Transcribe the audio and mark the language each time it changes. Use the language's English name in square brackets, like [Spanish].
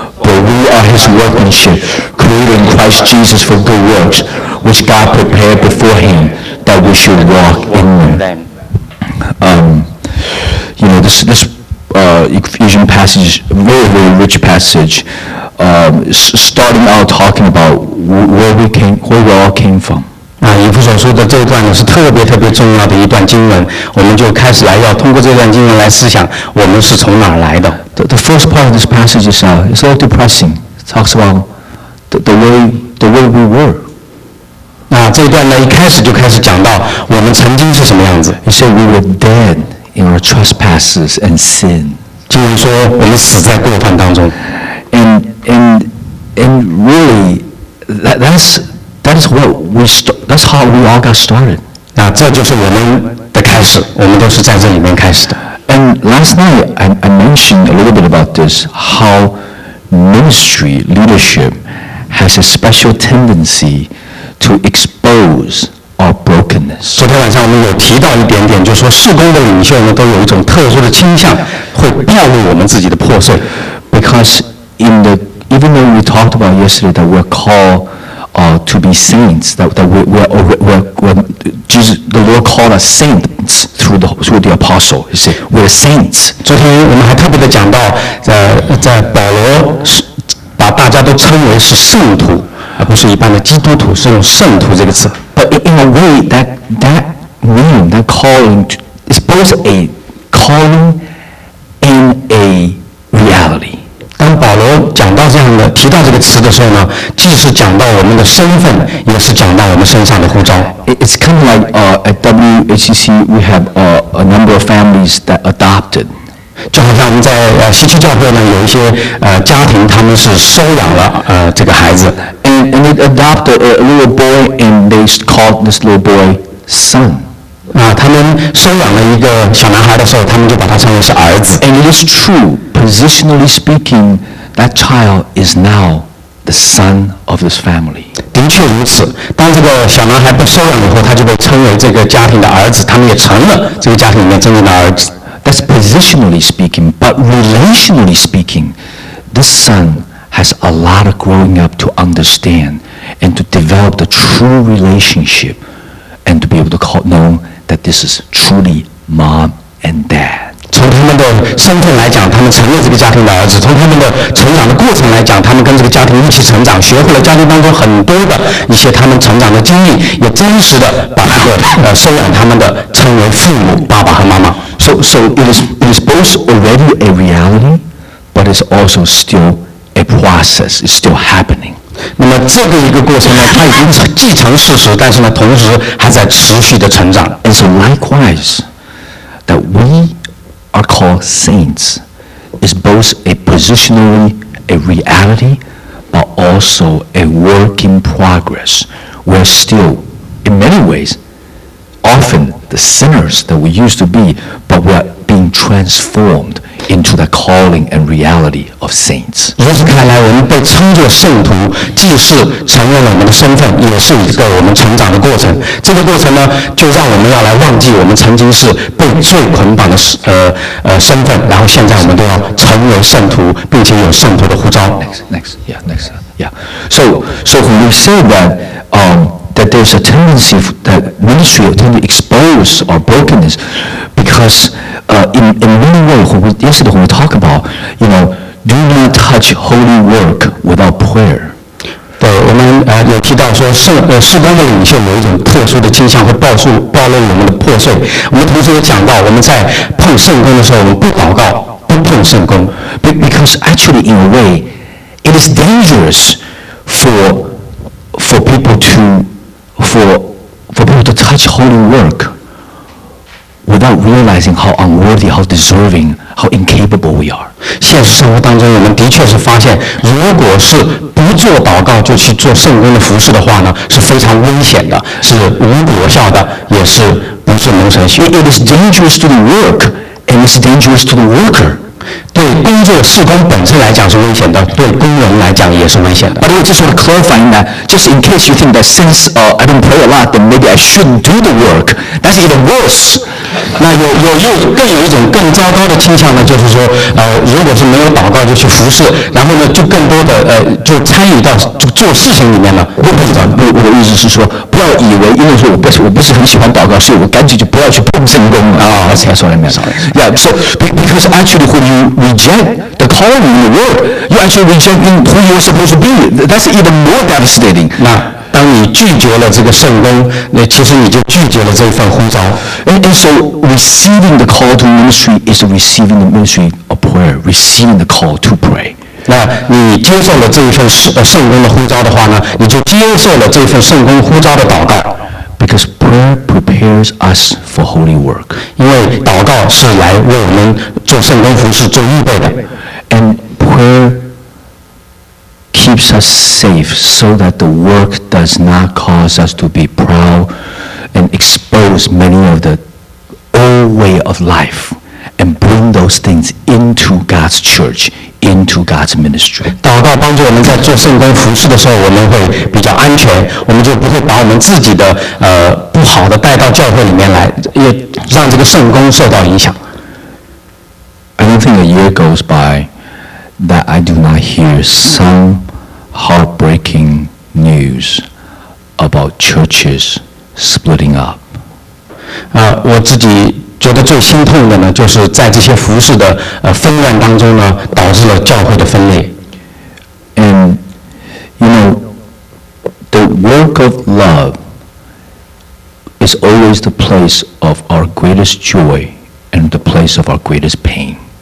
[English] But we are his workmanship, created in Christ Jesus for good works,which God prepared beforehand that we should walk in them. You know, this Ephesian passage, very, very rich passage, starting out talking about where we all came from. [Chinese] 以弗所书的这一段呢是特别特别重要的一段经文，我们就开始来要通过这段经文来思想我们是从哪儿来的。 [English] The first part of this passage is a little depressing. It talks about the way we were. [Chinese] 这一段呢，一开始就开始讲到我们曾经是什么样子。 [English] He said we were dead in our trespasses and sin. [Chinese] 经文说我们死在过犯当中。 [English] And really, that's how we all got started. [Chinese] 那这就是我们的开始，我们都是在这里面开始的。 [English] And last night I mentioned a little bit about this, how ministry leadership has a special tendency. To expose our brokenness. [Chinese] 昨天晚上我们有提到一点点，就是说事工的领袖呢都有一种特殊的倾向，会暴露我们自己的破碎。 [English] Because even though we talked about yesterday that we're called to be saints, the Lord called us saints through the apostle. He said we're saints. [Chinese] 昨天我们还特别的讲到，在保罗把大家都称为是圣徒。而不是一般的基督徒，是用圣徒这个词。 [English] But in a way, that name, that calling, is both a calling and a reality. [Chinese] 当保罗讲到这样的、提到这个词的时候呢，既是讲到我们的身份，也是讲到我们身上的呼召。 [English] It's kind of like at WHCC, we have a number of families that adopted. [Chinese] 就好像我们在西区教会呢，有一些家庭，他们是收养了这个孩子 [English] ，and they adopted a little boy and they called this little boy son。 [Chinese] 他们收养了一个小男孩的时候，他们就把他称为是儿子。 [English] And it is true, positionally speaking, that child is now the son of this family. [Chinese] 的确如此，当这个小男孩被收养以后，他就被称为这个家庭的儿子，他们也成了这个家庭里面真正的儿子。 [English] That's positionally speaking, but relationally speaking, this son has a lot of growing up to understand and to develop the true relationship and to be able to call known that this is truly mom and dad. [Chinese] 从他们的身份来讲，他们成了这个家庭的儿子。从他们的成长的过程来讲，他们跟这个家庭一起成长，学会了家庭当中很多的一些他们成长的经历，也真实的把这个收养他们的称为父母，爸爸和妈妈。 [English] So it is both already a reality, but it's also still a process. It's still happening. [Chinese] 那么这个一个过程呢，它已经既成事实，但是呢，同时还在持续的成长。 [English] And so likewise, that we are called saints is both a positionally a reality, but also a work in progress. We're still, in many ways, often the sinners that we used to be. But we are being transformed into the calling and reality of saints. [Chinese] 如此看来，我们被称作圣徒，既是承认了我们的身份，也是一个我们成长的过程。这个过程呢，就让我们要来忘记我们曾经是被罪捆绑的身份，然后现在我们都要成为圣徒，并且有圣徒的呼召。 [English] Next. So when we say that there's a tendency that ministry tend to expose our brokenness because in many ways, yesterday when we talk about, you know, do not touch holy work without prayer. [Chinese] 对，我们有提到说事工的领袖有一种特殊的倾向会暴露我们的破碎。我们同时也讲到我们在碰圣工的时候，我们不祷告，不碰圣工。 [English] Because actually in a way, it is dangerous for people to touch holy work without realizing how unworthy, how deserving, how incapable we are. [Chinese] 现实生活当中，我们的确是发现，如果是不做祷告就去做圣工的服事的话呢，是非常危险的，是无果效的，也是不是蒙神喜悦。 [English] It is dangerous to the work, and it's dangerous to the worker. [Chinese] 对工作事工本身来讲是危险的，对工人来讲也是危险的。 [English] But I just want to clarify that, just in case you think that since I don't pray a lot, then maybe I shouldn't do the work. That's even worse. [Chinese] 那更有一种更糟糕的倾向呢，就是说，如果是没有祷告就去服事，然后呢，就更多的就参与到做事情里面了。我的意思是说，不要以为因为说我不是很喜欢祷告，所以我赶紧就不要去碰圣工了。 [English] Oh, that's what I mean. So because actually when you reject the calling in the world, you actually reject who you're supposed to be. That's even more devastating. [Chinese] 那当你拒绝了这个圣工，那其实你就拒绝了这一份呼召。 [English] And so receiving the call to ministry is receiving the ministry of prayer, receiving the call to pray. [Chinese] 那你接受了这一份圣工的呼召的话呢，你就接受了这份圣工呼召的祷告。 [English] Because prayer prepares us for holy work. [Chinese] 因为祷告是来为我们做圣工服事做预备的。 [English] And prayer. Keeps us safe so that the work does not cause us to be proud and expose many of the old way of life and bring those things into God's church, into God's ministry. [Chinese] 祷告帮助我们在做圣工服事的时候，我们会比较安全，我们就不会把我们自己的不好的带到教会里面来，也让这个圣工受到影响。 [English] I don't think a year goes by that I do not hear some heartbreaking news about churches splitting up. [Chinese] 我自己觉得最心痛的呢，就是在这些服事的纷乱当中呢，导致了教会的分裂。 [English] And you know, the work of love is always the place of our greatest joy and the place of our greatest pain.